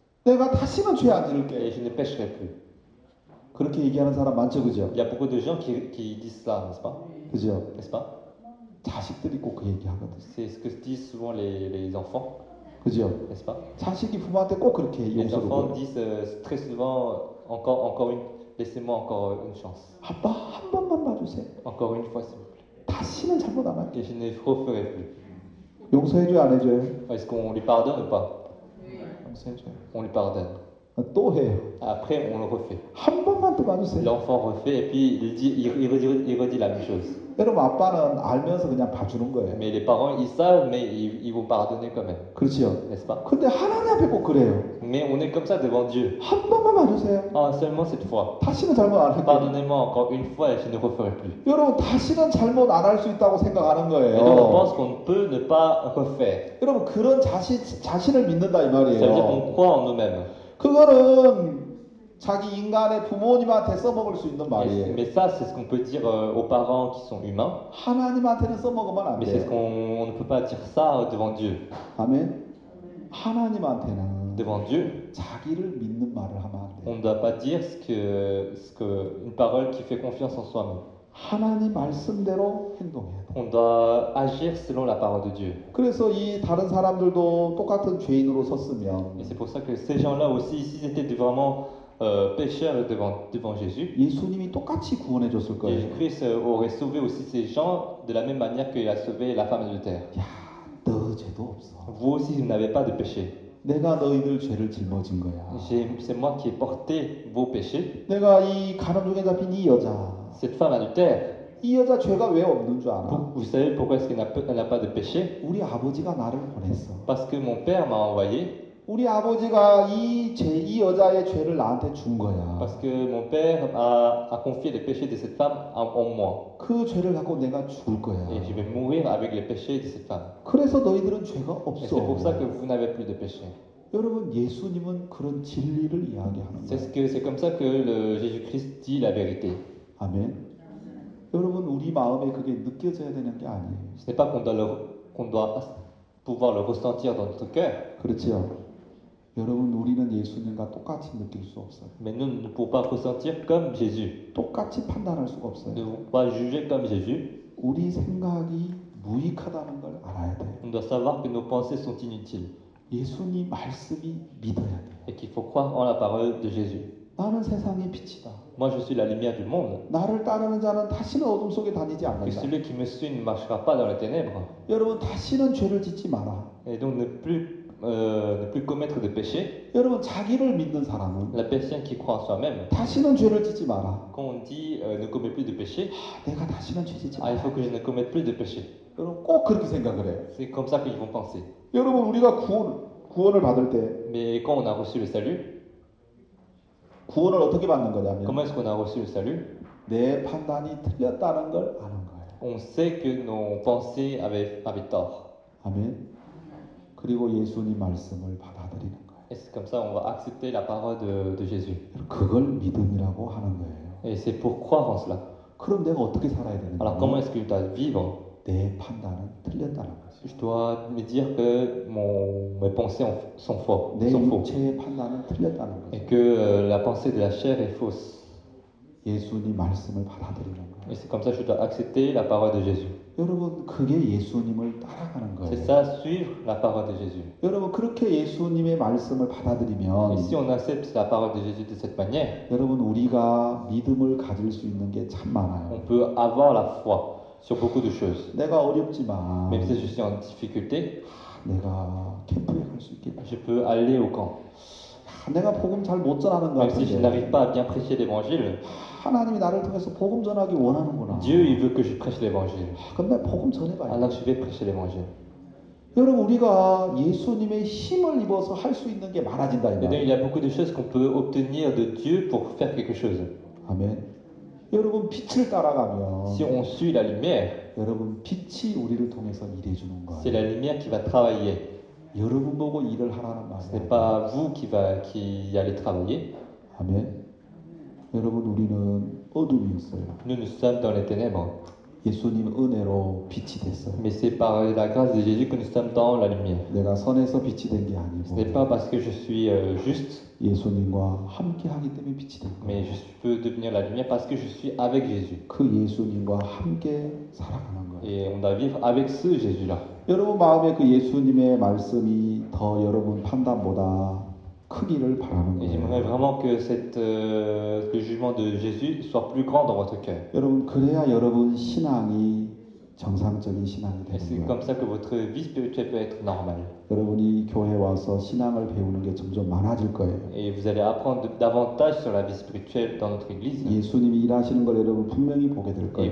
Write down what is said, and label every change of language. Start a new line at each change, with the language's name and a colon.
Korean: 내가 다시는 죄 안 지를게.
French: Et je ne pécherai plus.
Korean: 그렇게 얘기하는 사람 많죠, 그죠?
French: Il y a beaucoup de gens qui disent ça, n'est-ce pas?
Korean: 그죠?
French: N'est-ce pas?
Korean: 자식들이 꼭 그 얘기하거든.
French: C'est ce que disent souvent les enfants.
Korean: 그죠?
French: N'est-ce pas?
Korean: 자식이 부모한테 꼭 그렇게 용서를.
French: Les enfants disent très souvent encore une laissez-moi encore une chance.
Korean: 아빠 한 번만 봐주세요.
French: Encore une fois, s'il vous plaît.
Korean: 다시는 잘못 안 할게.
French: Je ne referai plus.
Korean: 용서해줘요, 안 해줘요?
French: Est-ce qu'on lui pardonne ou pas? Oui.
Korean: 용서해줘요.
French: On lui pardonne.
Korean: 또 해요.
French: Après, on le refait.
Korean: 한 번만 또 봐주세요.
French: L'enfant refait et puis il redit la même chose.
Korean: 여러분 아빠는 알면서 그냥 봐주는 거예요.
French: Mais les parents ils savent mais ils vont pardonner quand même.
Korean: 그렇죠,
French: n'est-ce pas?
Korean: 근데 하나님 앞에 꼭 그래요.
French: Mais on est comme ça devant Dieu.
Korean: 한 번만 봐주세요.
French: Ah, seulement cette fois.
Korean: 다시는 잘못 안 할게.
French: Pardonnez-moi encore une fois, je ne referai plus.
Korean: 여러분 다시는 잘못 안 할 수 있다고 생각하는 거예요.
French: Et donc on pense qu'on peut ne pas refaire.
Korean: 여러분 그런 자신을 믿는다 이 말이에요.
French: C'est à dire qu'on croit en nous-mêmes.
Korean: 그거는 자기 인간의 부모님한테 써먹을 수 있는 말이에요.
French: Mais ça, c'est ce qu'on peut dire aux parents qui sont humains.
Korean: 하나님한테는 써먹으면 안 돼.
French: Mais c'est ce qu'on ne peut pas dire ça devant Dieu.
Korean: 아멘. 하나님한테는.
French: Devant Dieu.
Korean: 자기를 믿는 말을 하면 안 돼.
French: On ne doit pas dire ce que une parole qui fait confiance en soi-même.
Korean: 하나님 말씀대로 행동해야 돼.
French: On doit agir selon la parole de Dieu.
Korean: 그래서 이 다른 사람들도 똑같은 죄인으로 섰으면.
French: Et c'est pour ça que ces gens-là aussi, s'ils étaient vraiment pécheur devant Jésus.
Korean: 예수님이 똑같이 구원해 줬을 거예요.
French: Jésus-Christ aurait sauvé aussi ces gens de la même manière qu'il a sauvé la femme adultère.
Korean: 야, 너 죄도 없어.
French: Vous aussi vous n'avez pas de péché.
Korean: 내가 너희들 죄를 짊어진 거야.
French: C'est moi qui ai porté vos péchés.
Korean: 내가 이 가늠중에 잡힌 이 여자.
French: Cette femme adultère.
Korean: 이 여자 죄가 왜 없는 줄 알아?
French: Vous savez pourquoi est-ce qu'elle n'a pas de péché?
Korean: 우리 아버지가 나를 보냈어.
French: Parce que mon père m'a envoyé.
Korean: 우리 아버지가 이 여자의 죄를 나한테 준 거야.
French: Parce que mon père a confié les péchés de cette femme en moi.
Korean: 그 죄를 갖고 내가 죽을 거야.
French: Et je vais mourir avec les péchés de cette femme.
Korean: 그래서 너희들은 죄가 없어.
French: Et c'est pour ça que vous n'avez plus de péché.
Korean: 여러분 예수님은 그런 진리를 이야기합니다.
French: C'est comme ça que le Jésus-Christ dit la vérité.
Korean: 아멘. 여러분 우리 마음에 그게 느껴져야 되는 게 아니에요.
French: Ce n'est pas qu'on doit pouvoir le ressentir dans notre cœur.
Korean: 그렇지요. 여러분 우리는 예수님과 똑같이 느낄 수 없어요.
French: Mais nous ne pouvons pas ressentir comme Jésus.
Korean: 똑같이 판단할 수가 없어요.
French: Nous ne pouvons pas juger comme Jésus.
Korean: 우리 생각이 무익하다는 걸 알아야 돼.
French: On doit savoir que nos pensées sont inutiles.
Korean: 예수님 말씀이 믿어야 돼.
French: Et qu'il faut croire en la parole de Jésus.
Korean: 나는 세상의 빛이다.
French: Moi je suis la lumière du monde.
Korean: 나를 따르는 자는 다시는 어둠 속에 다니지 않는다.
French: Que celui qui me suit ne marchera pas dans les ténèbres.
Korean: 여러분 다시는 죄를 짓지 마라.
French: Et donc ne plus ne plus commettre de péché.
Korean: 여러분 자기를 믿는 사람은
French: La personne qui croit en soi-même.
Korean: 다시는 죄를 짓지 마라.
French: Quand on dit ne commet plus de péché.
Korean: 아, 내가 다시는 죄 짓지
French: Ah, il faut que je ne commette plus de péché.
Korean: 말아야지. 여러분 꼭 그렇게 생각을 해.
French: C'est comme ça qu'ils vont penser.
Korean: 여러분 우리가 구원을 받을 때
French: Mais quand on a reçu le salut,
Korean: 구원을 어떻게 받는 거냐면
French: Comment est-ce qu'on a reçu le salut?
Korean: 내 판단이 틀렸다는 걸 아는 거예요.
French: On sait que nos pensées avaient tort.
Korean: 아멘. 그리고 예수님 말씀을 받아들이는
French: Et c'est comme ça qu'on va accepter la parole de Jésus.
Korean: 거예요. 그걸 믿음이라고 하는 거예요.
French: Et c'est pour croire en cela.
Korean: 그럼 내가 어떻게 살아야 되는
French: Alors,
Korean: 거예요?
French: comment est-ce que je dois vivre?
Korean: 내 판단은 틀렸다는 거죠.
French: Je dois me dire que mes pensées sont fausses.
Korean: 내 육체의 판단은 틀렸다는 거죠.
French: Et que la pensée de la chair est fausse.
Korean: 예수님 말씀을 받아들이는 거예요.
French: Et c'est comme ça que je dois accepter la parole de Jésus.
Korean: 여러분, 그게 예수님을 따라가는 거예요.
French: C'est ça, suivre la parole de Jésus.
Korean: 여러분, 그렇게 예수님의 말씀을 받아들이면
French: Et si on accepte la parole de Jésus de cette manière,
Korean: 여러분, 우리가 믿음을 가질 수 있는 게참 많아요.
French: On peut avoir la foi sur beaucoup de choses.
Korean: 내가 어렵지만
French: Même si je suis en difficulté,
Korean: 내가 캠프에 갈수 있겠다.
French: Je peux aller au camp.
Korean: 내가 복음 잘못 전하는 것
French: Même si je n'arrive pas à bien prêcher l'évangile,
Korean: 하나님이 나를 통해서 복음 전하기 원하는구나.
French: Dieu il veut que je prêche l'évangile.
Korean: 근데 복음 전해봐야
French: Alors je vais prêcher l'évangile.
Korean: 여러분 우리가 예수님의 힘을 입어서 할수 있는 게 많아진다 이
French: Et donc, il y a beaucoup de choses qu'on peut obtenir de Dieu pour faire quelque chose.
Korean: 아멘. 여러분 빛을 따라가면
French: Si on suit la lumière,
Korean: 여러분 빛이 우리를 통해서 일해 주는 거예요.
French: C'est la lumière qui va travailler.
Korean: 여러분 보고 일을 하라는 말이에요.
French: Ce n'est pas vous qui allez travailler.
Korean: 아멘. 여러분 우리는 어둠이었어요.
French: Nous nous sommes dans les ténèbres.
Korean: 예수님 은혜로 빛이 됐어요.
French: Mais c'est par la grâce de Jésus que nous sommes dans la lumière.
Korean: 내가 선해서 빛이 된게 아니고.
French: Ce n'est pas parce que je suis juste.
Korean: 예수님과 함께하기 때문에 빛이 된 거예요.
French: Mais je peux devenir la lumière parce que je suis avec Jésus.
Korean: 그 예수님과 함께 살아가는 거예요.
French: Et on doit vivre avec ce Jésus-là.
Korean: 여러분 마음에 그 예수님의 말씀이 더 여러분 판단보다 크기를 바라는 거예요.
French: J'aimerais vraiment que le jugement de Jésus soit plus grand dans votre cœur.
Korean: 여러분 그래야 여러분 신앙이 정상적인 신앙이 되는 거예요.
French: C'est comme ça que votre vie spirituelle peut être normale.
Korean: 여러분이 교회 와서 신앙을 배우는 게 점점 많아질 거예요.
French: Et vous allez apprendre davantage sur la vie spirituelle dans notre église.
Korean: 예수님이 일하시는 걸 여러분 분명히 보게 될 거예요.